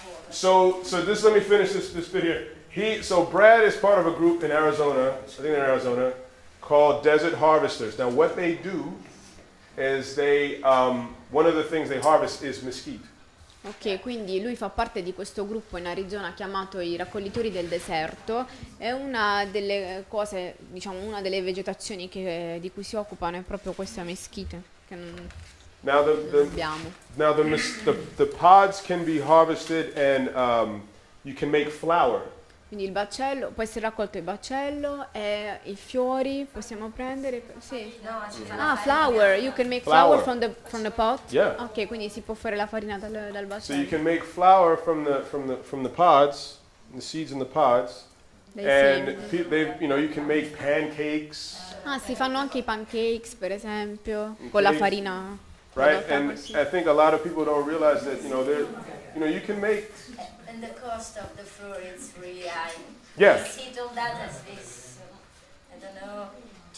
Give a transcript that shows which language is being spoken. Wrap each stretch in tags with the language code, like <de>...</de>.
<en>So this, let me finish this bit here. So Brad is part of a group in Arizona, I think in Arizona, called Desert Harvesters. Now what they do is they, one of the things they harvest is mesquite.</en> <it>Ok, quindi lui fa parte di questo gruppo in Arizona chiamato i Raccoglitori del Deserto. È una delle cose, diciamo, una delle vegetazioni di cui si occupano è proprio questa mesquite, che non...</it> <en>Now the pods can be harvested and you can make flour.</en> <it>Quindi il baccello può essere raccolto, il baccello e i fiori possiamo prendere, sì.</it> <en>Ah, flour, you can make flour from the pot. Yeah.</en> <it>Okay, quindi si può fare la farina dal baccello.</it> <en>So you can make flour from the pods, the seeds in the pods. You can make pancakes.</en> <it>Ah, si fanno anche i pancakes, per esempio, con la farina.</it> <en>Right, and I think a lot of people don't realize that, you know, you can make... And the cost of the fruit is really high. Yeah. You see all that as this, I don't</en>